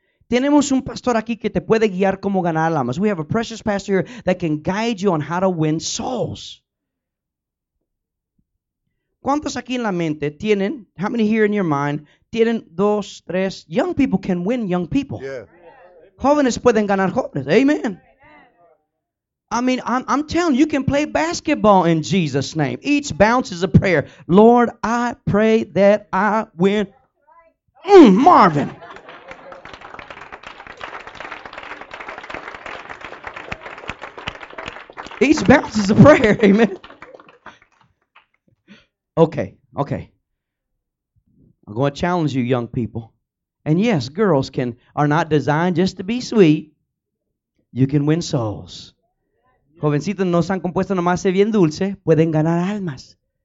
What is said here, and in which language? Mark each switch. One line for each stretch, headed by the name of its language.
Spanish: Tenemos un pastor aquí que te puede guiar cómo ganar almas.
English: We have a precious pastor here that can guide you on how to win souls.
Spanish: ¿Cuántos aquí en la mente tienen,
English: how many here in your mind,
Spanish: tienen dos, tres,
English: young people can win young people. Yeah.
Spanish: Jóvenes pueden ganar jóvenes, amen.
English: I mean, I'm telling you, can play basketball in Jesus' name. Each bounce is a prayer. Lord, I pray that I win. Marvin. Each bounce is a prayer. Amen. Okay. I'm going to challenge you, young people. And yes, girls are not designed just to be sweet. You can win souls.
Spanish: Jovencitos no están compuestos nomás ser bien dulce, pueden ganar almas.